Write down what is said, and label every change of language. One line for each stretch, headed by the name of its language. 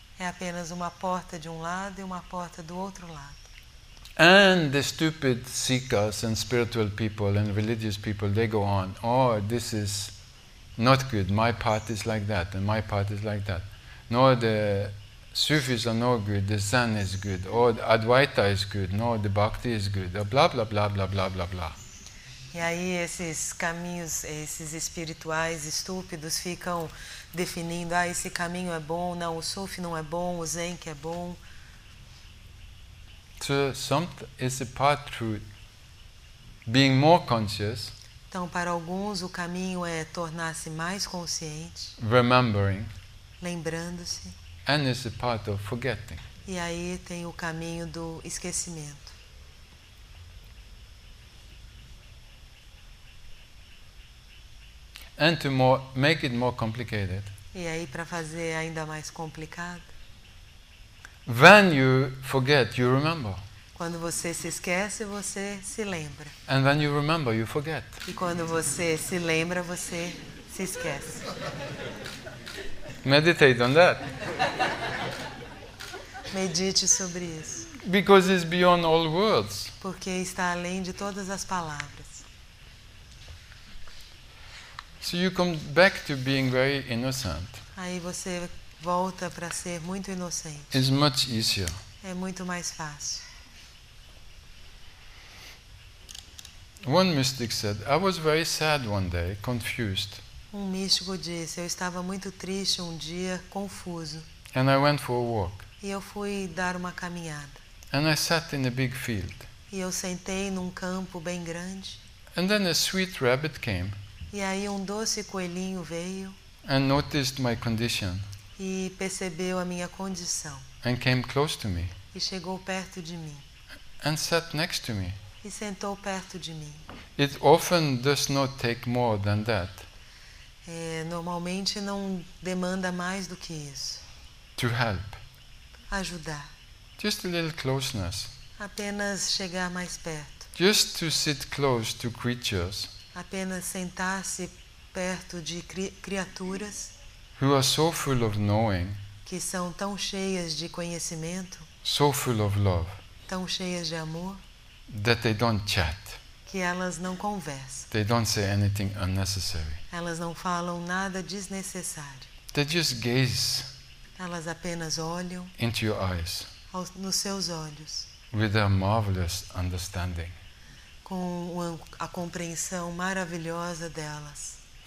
Portuguese: É apenas uma porta de um lado e uma porta do outro lado.
English: And the stupid seekers and spiritual people and religious people, they go on, oh, this is not good. My path is like that and my path is like that. No, the Sufis are no good. The Zen is good. Oh, the Advaita is good. No, the Bhakti is good. Blah, blah, blah, blah, blah, blah, blah.
Portuguese: E aí esses caminhos, esses espirituais estúpidos ficam definindo, ah, esse caminho é bom, não, o Sufi não é bom, o Zen que é bom.
English: So, it's a path through being more conscious.
Portuguese: Então, para alguns, o caminho é tornar-se mais consciente.
English: Remembering.
Portuguese: Lembrando-se.
English: And it's a path of forgetting.
Portuguese: E aí tem o caminho do esquecimento.
English: And to make it more complicated.
Portuguese: E aí para fazer ainda mais complicado.
English: When you forget, you remember.
Portuguese: Quando você se esquece, você se lembra.
English: And when you remember, you forget.
Portuguese: E quando você se lembra, você se esquece.
English: Meditate on that.
Portuguese: Medite sobre isso.
English: Because it's beyond all words.
Portuguese: Porque está além de todas as palavras.
English: So you come back to being very innocent.
Portuguese: Aí você volta para ser muito inocente.
English: It's much easier.
Portuguese: É muito mais fácil.
English: One mystic said, I was very sad one day, confused.
Portuguese: Um místico disse, eu estava muito triste um dia, confuso.
English: And I went for a walk.
Portuguese: E eu fui dar uma caminhada.
English: And I sat in a big field.
Portuguese: E eu sentei num campo bem grande.
English: And then a sweet rabbit came.
Portuguese: E aí um doce coelhinho veio.
English: And noticed my condition.
Portuguese: E percebeu a minha condição.
English: And came close to me.
Portuguese: E chegou perto de mim.
English: And sat next to me.
Portuguese: E sentou perto de mim.
English: It often does not take more than that.
Portuguese: É, normalmente não demanda mais do que isso.
English: To help.
Portuguese: Ajudar.
English: Just a little closeness.
Portuguese: Apenas chegar mais perto.
English: Just to sit close to creatures.
Portuguese: Apenas sentar-se perto de criaturas
English: who are so full of knowing,
Portuguese: que são tão cheias de conhecimento,
English: so full of love,
Portuguese: tão cheias de amor,
English: that they don't chat,
Portuguese: que elas não conversam,
English: they don't say anything unnecessary,
Portuguese: elas não falam nada desnecessário,
English: they just gaze,
Portuguese: elas apenas olham
English: into your eyes,
Portuguese: nos seus olhos,
English: with a marvelous understanding.
Portuguese: Com a compreensão maravilhosa delas.